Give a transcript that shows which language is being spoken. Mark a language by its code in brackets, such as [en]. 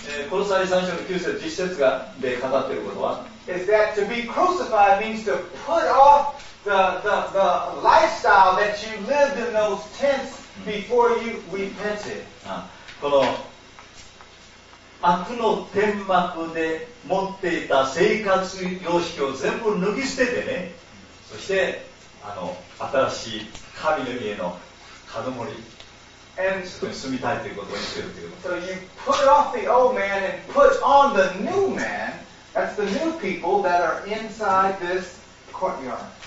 [ja] コロサイ3章の9節10節がで語っていることは。 [en] Is that to be crucified means to put off the lifestyle that you lived in those tents before you repented. [ja] この悪の天幕で持っていた生活様式を全部脱ぎ捨ててね、そしてあの新しい神の家の門守りそこに住みたいということを言っているということ。 [en] So you put off the old man and put on the new man. That's the new people that are inside this courtyard.